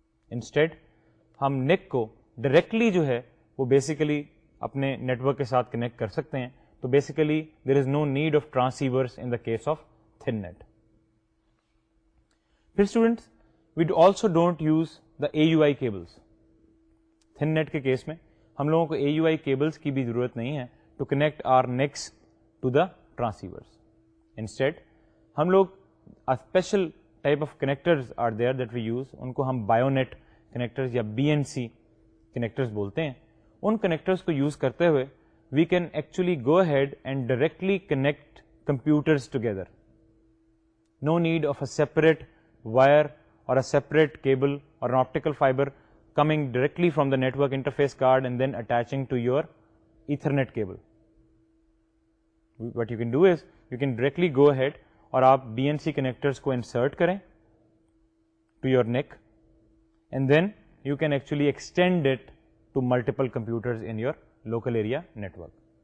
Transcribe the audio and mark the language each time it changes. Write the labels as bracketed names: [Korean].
[Urdu] Instead hum NIC ko directly جو ہے وہ بیسیکلی اپنے نیٹورک کے ساتھ کنیکٹ کر سکتے ہیں. [English] تو basically there is no need of transceiver in the case of thin net. پھر students, we also don't use the A U I cables. [Urdu] Thin net کے کیس میں ہم لوگوں کو اے یو آئی کیبلس کی بھی ضرورت نہیں ہے [English] To connect or NICs to the transceiver. [Urdu] Instead ہم لوگ [English] special type of connectors are there that we use, [Urdu] ان کو ہم بایو نیٹ کنیکٹرز یا بی این سی کنیکٹرز بولتے ہیں. ان کنیکٹرز کو یوز کرتے ہوئے [English] We can actually go ahead and directly connect computers together. No need of a separate wire اور a separate cable اور optical fibre coming directly from the network interface card and then attaching to your Ethernet cable. What you can do is, you can directly go ahead [Urdu] aur aap BNC connectors ko insert karein [English] to your NIC and then you can actually extend it to multiple computers in your local area network.